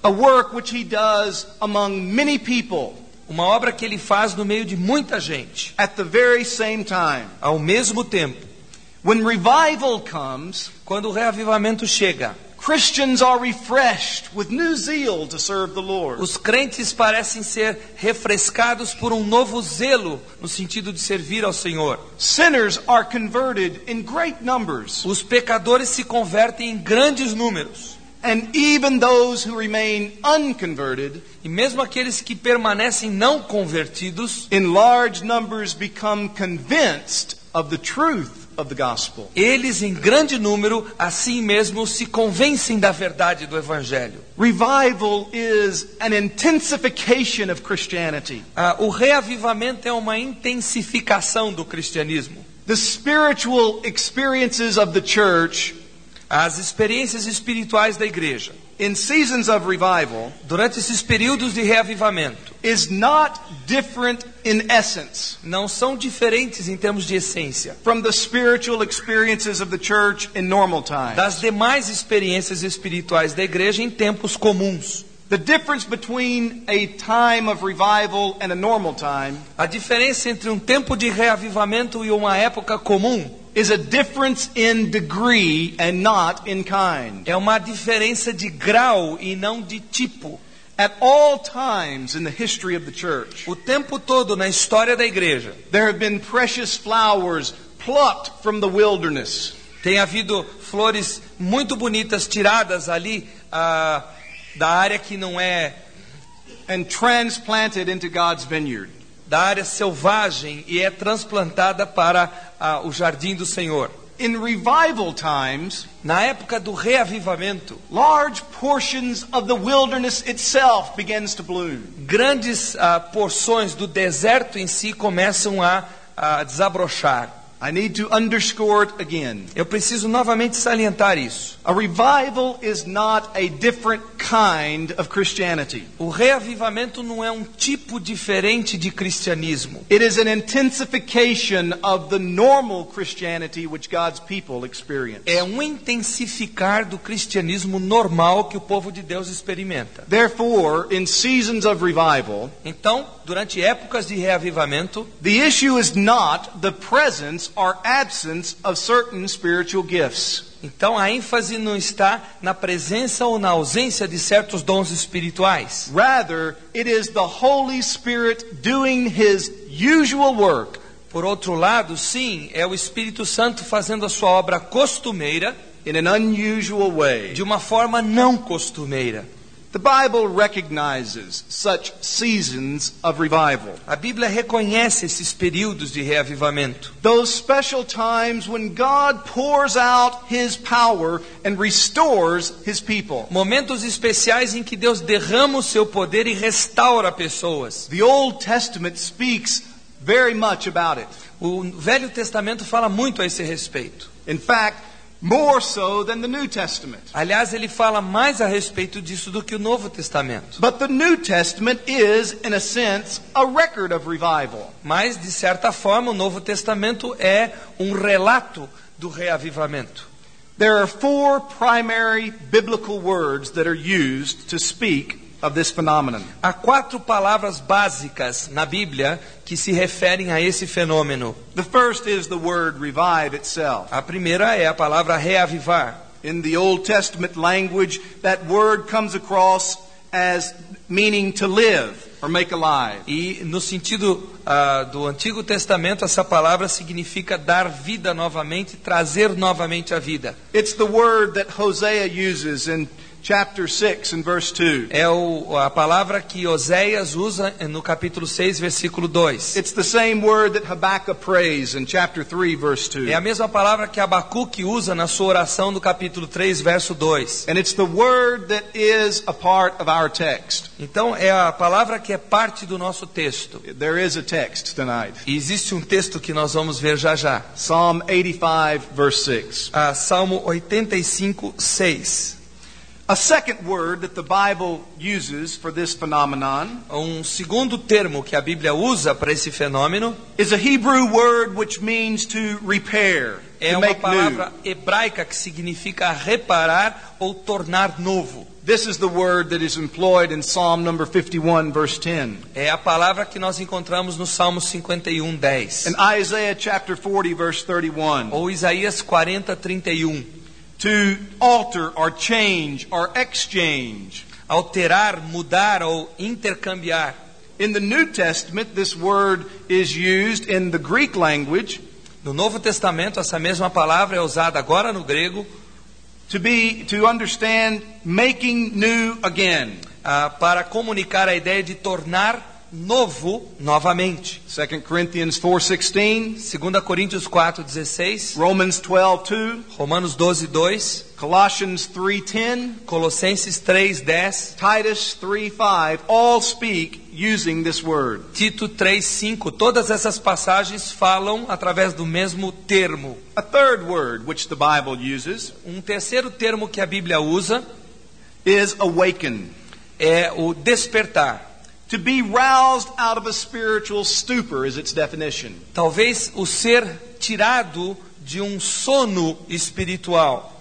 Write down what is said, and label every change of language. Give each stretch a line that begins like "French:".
English: A work which he does among many people.
Portuguese: Uma obra que ele faz no meio de muita gente.
English: At the very same time.
Portuguese: Ao mesmo tempo.
English: When revival comes,
Portuguese: quando o reavivamento chega,
English: Christians are refreshed with new zeal to serve the Lord.
Portuguese: Os crentes parecem ser refrescados por um novo zelo no sentido de servir ao Senhor.
English: Sinners are converted in great numbers.
Portuguese: Os pecadores se convertem em grandes números.
English: And even those who remain unconverted,
Portuguese: e mesmo aqueles que permanecem não convertidos,
English: in large numbers become convinced of the truth. Of the gospel.
Portuguese: Eles em grande número assim mesmo se convencem da verdade do evangelho.
English: Revival is an intensification of Christianity.
Portuguese: O reavivamento é uma intensificação do cristianismo.
English: The spiritual experiences of the church,
Portuguese: as experiências espirituais da igreja,
English: in seasons of revival,
Portuguese: durante esses períodos de reavivamento,
English: is not different in essence,
Portuguese: não são diferentes em termos de essência,
English: from the spiritual experiences of the church in normal times,
Portuguese: das demais experiências espirituais da igreja em tempos comuns.
English: The difference between a time of revival and a normal time,
Portuguese: a diferença entre um tempo de reavivamento e uma época comum,
English: is a difference in degree and not in kind.
Portuguese: É uma diferença de grau e não de tipo.
English: At all times in the history of the church,
Portuguese: o tempo todo na história da igreja,
English: there have been precious flowers plucked from the wilderness.
Portuguese: Tem havido flores muito bonitas tiradas ali da área que não é,
English: and transplanted into God's vineyard.
Portuguese: Da área selvagem e é transplantada para o jardim do Senhor.
English: In revival times,
Portuguese: na época do reavivamento,
English: large portions of the wilderness itself begins to bloom.
Portuguese: Grandes porções do deserto em si começam a desabrochar.
English: I need to underscore it again.
Portuguese: Eu preciso novamente salientar isso.
English: A revival is not a different kind of Christianity.
Portuguese: O reavivamento não é tipo diferente de cristianismo.
English: It is an intensification of the normal Christianity which God's people experience.
Portuguese: É intensificar do cristianismo normal que o povo de Deus experimenta.
English: Therefore, in seasons of revival,
Portuguese: então, durante épocas de reavivamento,
English: the issue is not the presence or absence of certain spiritual gifts.
Portuguese: Então a ênfase não está na presença ou na ausência de certos dons espirituais.
English: Rather, it is the Holy Spirit doing his usual work.
Portuguese: Por outro lado, sim, é o Espírito Santo fazendo a sua obra costumeira
English: in an unusual way.
Portuguese: De uma forma não costumeira.
English: The Bible recognizes such seasons of revival.
Portuguese: A Bíblia reconhece esses períodos de reavivamento.
English: Those special times when God pours out his power and restores his people.
Portuguese: Momentos especiais em que Deus derrama o seu poder e restaura pessoas.
English: The Old Testament speaks very much about it.
Portuguese: O Velho Testamento fala muito a esse respeito.
English: In fact, more so than the New Testament.
Portuguese: Aliás, ele fala mais a respeito disso do que o Novo Testamento.
English: But the New Testament is, in a sense, a record of revival.
Portuguese: Mas, de certa forma, o Novo Testamento é relato do reavivamento.
English: There are four primary biblical words that are used to speak of this phenomenon.
Portuguese: Há quatro palavras básicas na Bíblia que se referem a esse fenômeno.
English: The first is the word revive itself.
Portuguese: A primeira é a palavra reavivar.
English: In the Old Testament language, that word comes across as meaning to live or make alive.
Portuguese: E no sentido do Antigo Testamento, essa palavra significa dar vida novamente, trazer novamente a vida.
English: It's the word that Hosea uses in chapter 6 and verse 2.
Portuguese: É a palavra que Oséias usa no capítulo 6, versículo 2.
English: It's the same word that Habakkuk prays in chapter 3, verse 2.
Portuguese: É a mesma palavra que Habakkuk usa na sua oração no capítulo 3, verso 2.
English: And it's the word that is a part of our text.
Portuguese: Então é a palavra que é parte do nosso texto.
English: There is a text tonight.
Portuguese: Existe texto que nós vamos ver já já.
English: Psalm 85, verse 6.
Portuguese: Salmo 85, 6.
English: A second word that the Bible uses for this phenomenon,
Portuguese: segundo termo que a Bíblia usa para esse fenômeno,
English: is a Hebrew word which means to repair,
Portuguese: é uma palavra hebraica que significa reparar ou tornar novo.
English: This is the word that is employed in Psalm number 51, verse 10.
Portuguese: É a palavra que nós encontramos no Salmo 51, 10.
English: In Isaiah chapter 40, verse 31.
Portuguese: Ou Isaías 40, 31.
English: To alter or change or exchange.
Portuguese: Alterar, mudar ou intercambiar.
English: In the New Testament, this word is used in the Greek language.
Portuguese: No Novo Testamento, essa mesma palavra é usada agora no grego.
English: To understand making new again.
Portuguese: Para comunicar a ideia de tornar novo novamente. 2 Coríntios 4:16. Romans 12:2. Romanos 12:2.
English: Colossians 3:10.
Portuguese: Colossenses 3:10.
English: Titus 3:5. All speak using this word.
Portuguese: Tito 3:5. Todas essas passagens falam através do mesmo termo.
English: A third word which the Bible uses.
Portuguese: Terceiro termo que a Bíblia usa
English: is awaken.
Portuguese: É o despertar.
English: To be roused out of a spiritual stupor is its definition.
Portuguese: Talvez o ser tirado de sono espiritual.